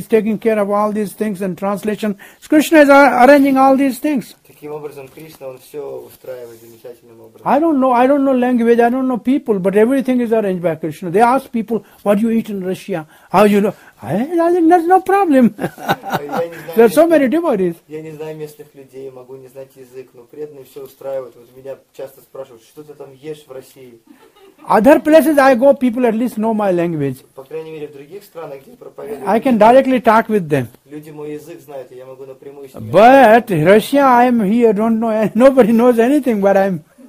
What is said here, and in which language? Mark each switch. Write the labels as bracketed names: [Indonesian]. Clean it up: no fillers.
[English] He is taking care of all these things and translation. Krishna is arranging all these things. [Russian] Таким образом, Кришна, он все устраивает замечательным образом. [English] I don't know language, I don't know people, but everything is arranged by Krishna. They ask people, what do you eat in Russia? How you know? I think that's no problem. There are so many devotees. [Russian] Я не знаю местных людей, могу не знать язык, но преданные все устраивают. Вот меня часто спрашивают, что ты там ешь в России? [English] Other places I go, people at least know my language. [Russian] По крайней мере, в других странах, где проповедую, [English] I can directly talk with them. [Russian] Люди мой язык знают, и я могу напрямую с ними. [English] But Russia, I am here, don't know, nobody knows anything, but I'm...